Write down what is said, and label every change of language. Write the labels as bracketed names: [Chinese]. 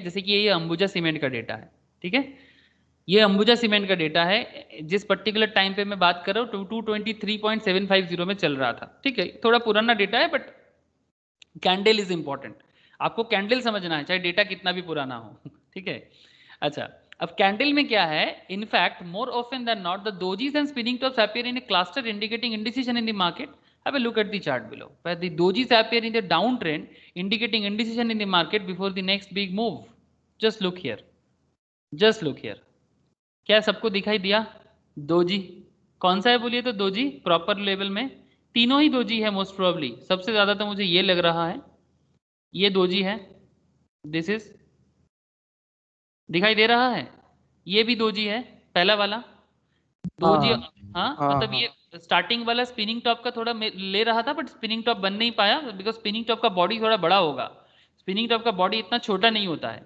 [Hindi] जैसे कि ये अंबुजा सीमेंट का डेटा है, ठीक है, ये अंबुजा सीमेंट का डेटा है, जिस पर्टिकुलर टाइम पे मैं बात कर रहा हूँ 223.750 में चल रहा था। ठीक है, थोड़ा पुराना डेटा है, बट कैंडल इज इंपॉर्टेंट, आपको कैंडल समझना है, चाहे डेटा कितना भी पुराना हो। [English] ठीक है, अच्छा, अब कैंडल में क्या है, in fact more often than not the dojis and spinning tops appear in a cluster indicating indecision in the market. Have a look at the chart below. Where the dojis appear in the downtrend, indicating indecision in the market before the next big move. [Hindi] Just look here. Just look here. क्या सबको दिखाई दिया? Doji. कौन सा है बोलिए तो? Doji. Proper level में. तीनों ही doji है most probably. सबसे ज़्यादा तो मुझे ये लग रहा है. ये doji है. This is. दिखाई दे रहा है? ये भी doji है. पहला वाला. doji. हाँ, मतलब ये स्टार्टिंग वाला स्पिनिंग टॉप का थोड़ा ले रहा था, बट स्पिनिंग टॉप बन नहीं पाया, बिकॉज स्पिनिंग टॉप का बॉडी थोड़ा बड़ा होगा, स्पिनिंग टॉप का बॉडी इतना छोटा नहीं होता है।